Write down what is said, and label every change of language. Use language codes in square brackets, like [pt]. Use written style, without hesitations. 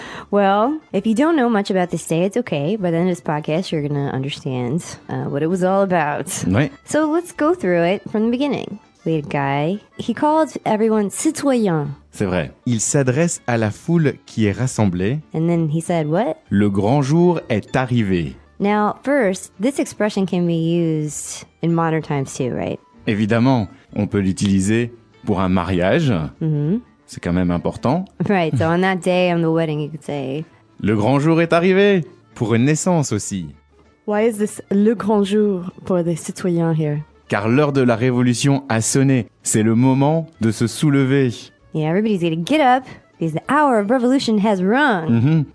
[en] Well, if you don't know much about this day, it's okay. By the end of this podcast, you're going to understand what it was all about. [fr] Oui. [en] So let's go through it from the beginning. We had a guy. He called everyone citoyen. [fr] C'est vrai. Il s'adresse à la foule qui est rassemblée. [en] And then he said what? [fr] Le grand jour est arrivé. [en] Now, first, this expression can be used in modern times too, right? [fr] Évidemment, on peut l'utiliser pour un mariage. Mm-hmm. C'est quand même important. [en] Right, so on that day, on the wedding, you could say. [fr] Le grand jour est arrivé, pour une naissance aussi. [en] Why is this [fr] le grand jour [en] for the citoyen here? [fr] Car l'heure de la révolution a sonné. C'est le moment de se soulever. [en] Yeah, everybody's gonna get up because the hour of revolution has rung.